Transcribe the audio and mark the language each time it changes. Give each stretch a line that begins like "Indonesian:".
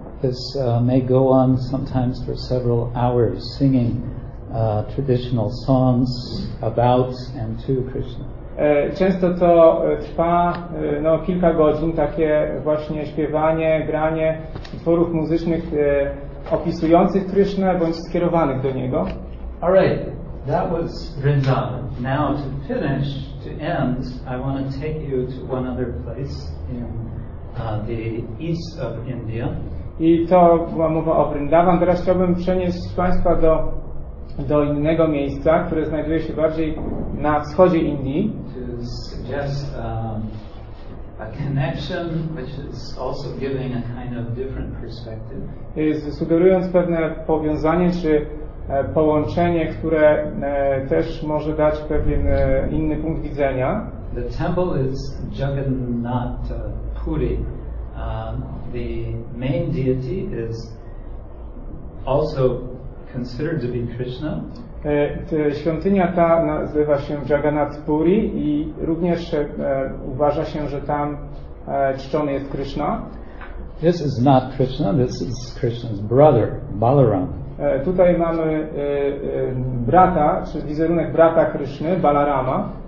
English: This may go on sometimes for several hours, singing traditional songs about and to Krishna.
Polish: Często to trwa kilka godzin, takie właśnie śpiewanie, granie utworów muzycznych opisujących Krishna bądź skierowanych do Niego.
English: All right, That was Vrindavan. Now to finish, to end, I want to take you to one other place in the east of India.
Polish: I to była mowa o Vrindavan. Teraz chciałbym przenieść Państwa do innego miejsca, które znajduje się bardziej na wschodzie Indii.
English: To suggest a connection, which is also giving a kind of different perspective.
Polish: Sugerując pewne powiązanie, czy połączenie, które też może dać pewien inny punkt widzenia.
English: The temple is Jagannath Puri. The main deity is also considered to be Krishna.
Polish: Świątynia ta nazywa się Jagannath Puri i również uważa się, że tam czczony jest Krishna.
English: This is not Krishna, this is Krishna's brother, Balaram.
Polish: Tutaj mamy brata, czy wizerunek brata Kryszny, Balarama.